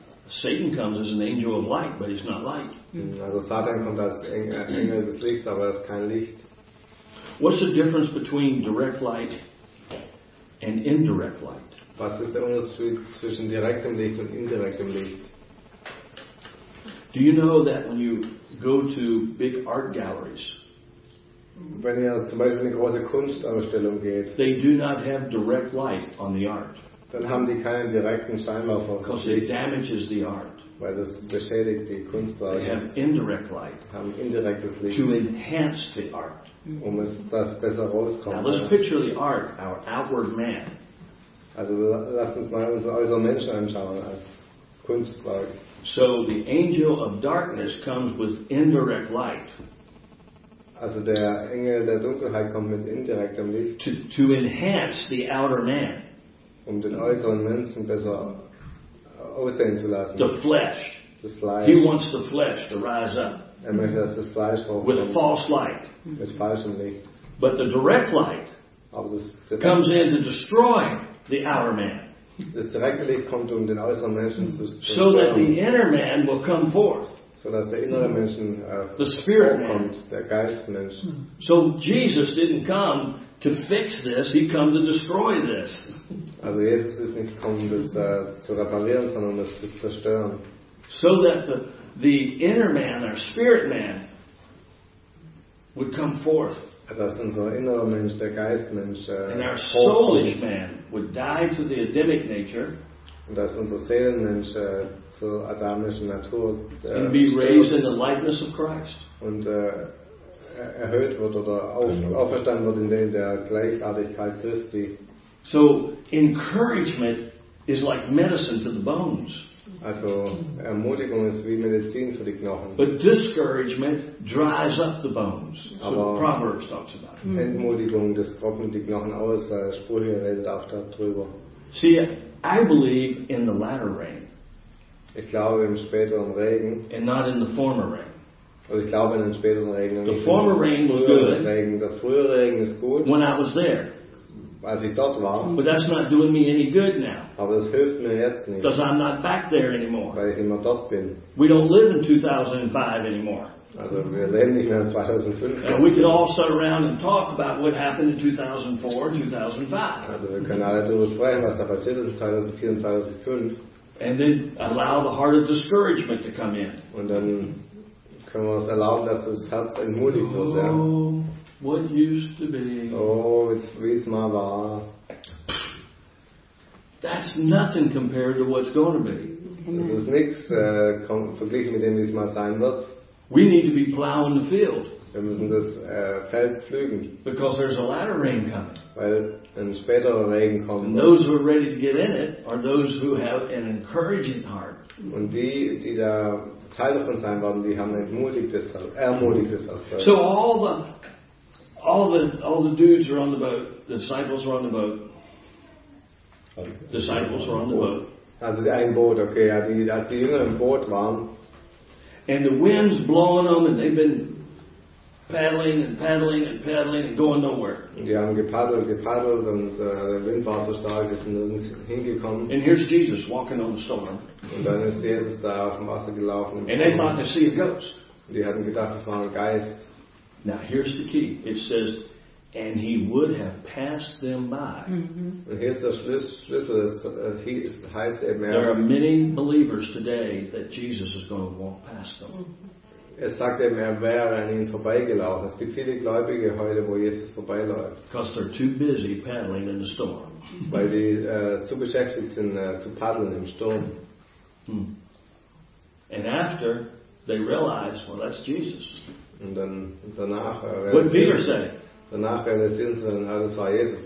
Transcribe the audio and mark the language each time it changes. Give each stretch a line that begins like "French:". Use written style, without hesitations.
English: Satan comes as an angel of light, but he's not light.
German: Also Satan kommt als Engel des Lichts, aber er ist kein Licht.
English: What's the difference between direct light and indirect light?
German: Was ist der Unterschied zwischen direktem Licht und indirektem Licht?
English: Do you know that when you go to big art galleries,
German: wenn ihr zum Beispiel eine große Kunstausstellung geht,
English: they do not have direct light on the art.
German: Dann haben die keinen direkten Scheinwerfer auf das Licht.
English: It damages the art.
German: Weil das beschädigt die Kunstwerke.
English: They have indirect light.
German: Haben indirektes Licht.
English: To enhance the art.
German: Um es das besser rauskommt.
English: Now let's picture the art, our outward man.
German: Also lasst uns mal unseren äußeren Menschen anschauen als Kunstwerk.
English: So the angel of darkness comes with indirect light.
German: Also der Engel der Dunkelheit kommt mit indirektem Licht.
English: To enhance the outer man.
German: Um den äußeren Menschen besser aussehen zu lassen.
English: The flesh.
German: Das Fleisch.
English: He wants the flesh to rise up.
German: Er möchte, dass das Fleisch hochkommt.
English: With false light.
German: Mit falschem Licht.
English: But the direct light comes in to destroy the outer man.
German: Das direkte Licht kommt, um den äußeren Menschen zu destroyen.
English: So that the inner man will come forth.
German: So dass der innere Mensch
English: the spirit man.
German: Der Geistmensch.
English: So Jesus didn't come to fix this, he came to destroy this.
German: Also Jesus ist nicht gekommen, das zu reparieren, sondern das zu zerstören.
English: So that the inner man, our spirit man, would come forth.
German: Dass unser innerer Mensch, der Geistmensch,
English: and our soulish man would die to the Adamic nature.
German: Und dass unser Seelenmensch zur adamischen Natur
English: and be raised in the likeness of Christ.
German: Und erhöht wird oder auferstanden wird in der Gleichartigkeit Christi.
English: So encouragement is like medicine to the bones.
German: Also Ermutigung ist wie Medizin für die Knochen.
English: But discouragement dries up the bones. So Proverbs talks about.
German: Entmutigung, das trocknet die Knochen aus. Sprüche redet auch darüber.
English: See, I believe in the latter rain.
German: Ich glaube im späteren Regen.
English: And not in the former rain.
German: Also ich glaube in den späteren Regen.
English: The former rain was good.
German: Regen. Der frühe Regen ist gut.
English: When I was there.
German: Als ich dort war.
English: But that's not doing me any good now.
German: Aber das hilft mir jetzt nicht.
English: Because I'm not back there anymore.
German: Weil ich immer dort bin.
English: We don't live in 2005 anymore.
German: Also wir leben nicht mehr in 2005.
English: And we can all sit around and talk about what happened in 2004, 2005.
German: Also wir können alle darüber sprechen, was da passiert ist in 2004 und 2005.
English: And then allow the heart of discouragement to come in.
German: Und dann können wir uns erlauben, dass das Herz entmutigt wird.
English: Oh, what used to be.
German: Oh, wie es mal war.
English: That's nothing compared to what's going to be.
German: Das ist nichts verglichen mit dem, wie es mal sein wird.
English: We need to be plowing the field.
German: Wir müssen das Feld pflügen.
English: Because there's a latter rain coming.
German: Weil ein späterer Regen kommt.
English: And those who are ready to get in it are those who have an encouraging heart.
German: Und die da Teil davon sein werden, die haben ermutigtes Herz.
English: So all the dudes are on the boat. The disciples are on the boat. Disciples are on the boat.
German: Also die ein Boot, okay, ja, die Jünger im Boot waren.
English: And the wind's blowing them, and they've been paddling and paddling and paddling and going nowhere.
German: Die haben gepaddelt, und der Wind war so stark, sie sind nirgends hingekommen.
English: And here's Jesus walking on the storm.
German: Und dann ist Jesus da auf dem Wasser gelaufen.
English: And they thought they see a ghost.
German: Die hatten gedacht, es war ein Geist.
English: Now here's the key. It says, and he would have passed them by. Mm-hmm.
German: Und hier ist der Schlüssel, es heißt eben,
English: there are many believers today that Jesus is going to walk past them.
German: Es sagt eben, wäre an ihnen vorbeigelaufen. Es gibt viele Gläubige heute, wo Jesus vorbeiläuft.
English: Because they're too busy paddling in the storm.
German: Weil die zu beschäftigt sind, zu paddeln im Sturm. Hmm.
English: And after, they realize, well, that's Jesus.
German: Und dann danach,
English: what did Peter say?
German: Danach werden sie sehen, sondern alles war Jesus.